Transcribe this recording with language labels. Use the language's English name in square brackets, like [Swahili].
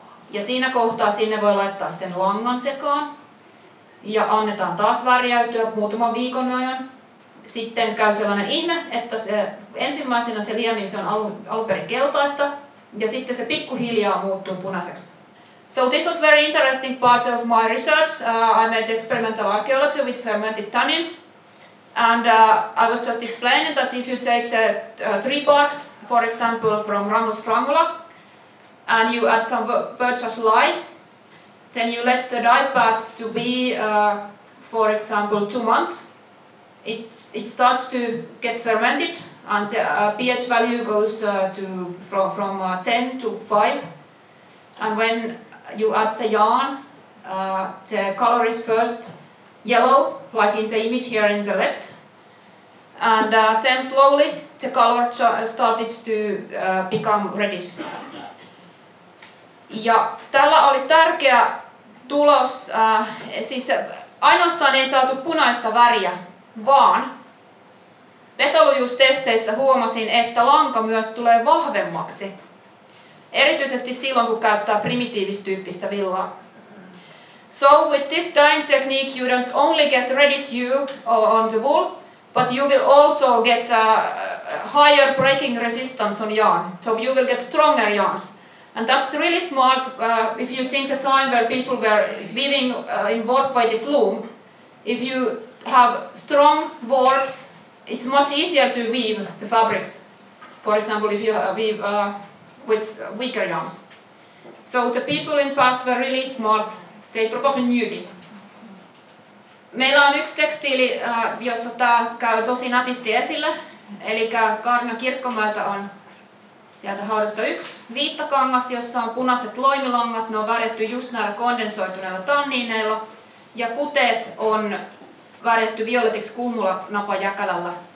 [Finnish] Ja siinä kohtaa sinne voi laittaa sen langan sekaan. Ja annetaan taas värjäytyä muutaman viikon ajan. Sitten käy sellainen ihme, että se, ensimmäisenä se liemi se on alunperin keltaista. Ja sitten se pikkuhiljaa muuttuu punaiseksi. [English] So this was very interesting part of my research. I made experimental archaeology with fermented tannins. And I was just explaining that if you take the tree bark, for example, from Rangus frangula, and you add some birch's lye, then you let the dye bark to be, for example, 2 months. It starts to get fermented, and the pH value goes from 10 to 5. And when you add the yarn, the color is first yellow, like in the image here in the left. And then slowly the color started to become reddish. [Finnish] Ja tällä oli tärkeä tulos, siis ainoastaan ei saatu punaista väriä, vaan vetolujuustesteissä huomasin, että lanka myös tulee vahvemmaksi. Erityisesti silloin, kun käyttää primitiivistyyppistä villaa. [English] So with this dyeing technique you don't only get reddish hue on the wool, but you will also get a higher breaking resistance on yarn. So you will get stronger yarns. And that's really smart if you think the time where people were weaving in warp-weighted loom. If you have strong warps, it's much easier to weave the fabrics. For example, if you weave with weaker yarns. So the people in the past were really smart. They probably knew this. [Finnish] Meillä on yksi tekstiili, jossa tämä käy tosi nätisti esille. Eli Kaarina Kirkkomäeltä on sieltä haudasta 1 viittakangas, jossa on punaiset loimilangat. Ne on värjätty just näillä kondensoituneilla tanniineilla. Ja kuteet on värjätty violetiksi kummulla napajäkälällä.